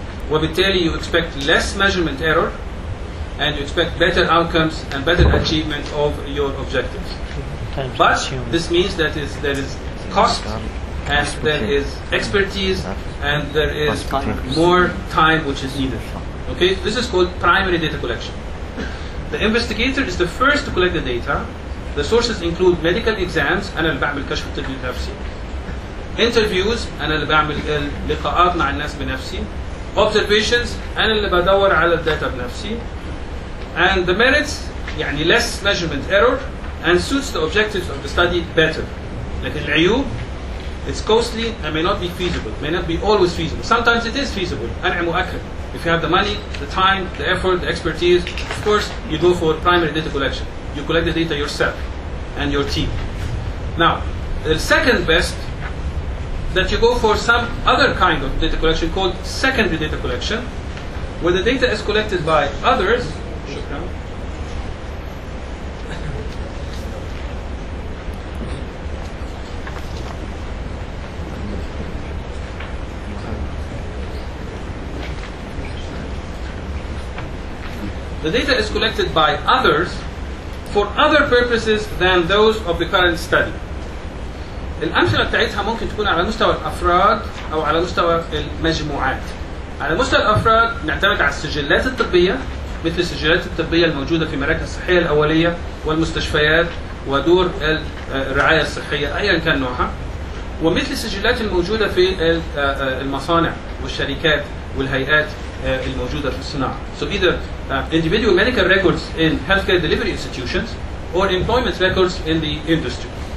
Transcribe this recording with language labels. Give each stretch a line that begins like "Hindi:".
English: Wabitali, you expect less measurement error, and you expect better outcomes and better achievement of your objectives. But this means that there is cost, and there is expertise, and there is more time which is needed. Okay, this is called primary data collection. The investigator is the first to collect the data. The sources include medical exams,
Arabic: أنا اللي بعمل كشف طبي لنفسي. Interviews, أنا اللي بعمل اللقاءات مع الناس بنفسي. Observations, أنا اللي بدور على الداتا بنفسي.
English: And the merits, يعني less measurement error, and suits the objectives of the study better.
Arabic: لكن العيوب,
English: it's costly and may not be feasible, may not be always feasible. Sometimes it is feasible,
Arabic: أنا مؤكد.
English: If you have the money, the time, the effort, the expertise, of course, you go for primary data collection. You collect the data yourself and your team. Now, the second best, that you go for some other kind of data collection called secondary data collection, where the data is collected by others. The data is collected by others for other purposes than those of the current study.
Arabic: الأمثلة بتاعتها ممكن تكون على مستوى الأفراد أو على مستوى المجموعات. على مستوى الأفراد نعتمد على السجلات الطبية مثل السجلات الطبية الموجودة في مراكز الصحية الأولية والمستشفيات ودور الرعاية الصحية أيا كان نوعها ومثل السجلات الموجودة في المصانع والشركات والهيئات الموجودة في الصناعة.
English: So either individual medical records in healthcare delivery institutions or employment records in the industry.